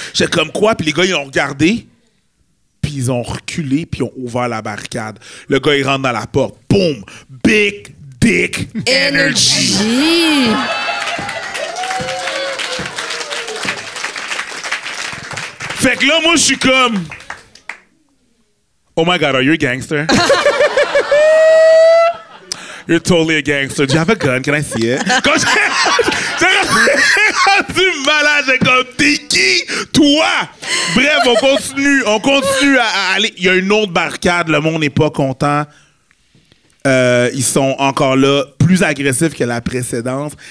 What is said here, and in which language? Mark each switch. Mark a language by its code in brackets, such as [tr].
[fr] J'ai comme quoi, puis les gars, ils ont regardé, puis ils ont reculé, puis ils ont ouvert la barricade. Le gars, il rentre dans la porte. Boum! [en] Big Dick Energy. [fr] Fait que là, moi, je suis comme... [en] Oh my God, are you a gangster? You're totally a gangster. Do you have a gun? Can I see it? [fr] Quand j'ai rendu malade, j'ai comme, t'es qui? Toi? Bref, on continue à aller. Il y a une autre barricade, le monde n'est pas content. Ils sont encore là, plus agressifs que la précédente.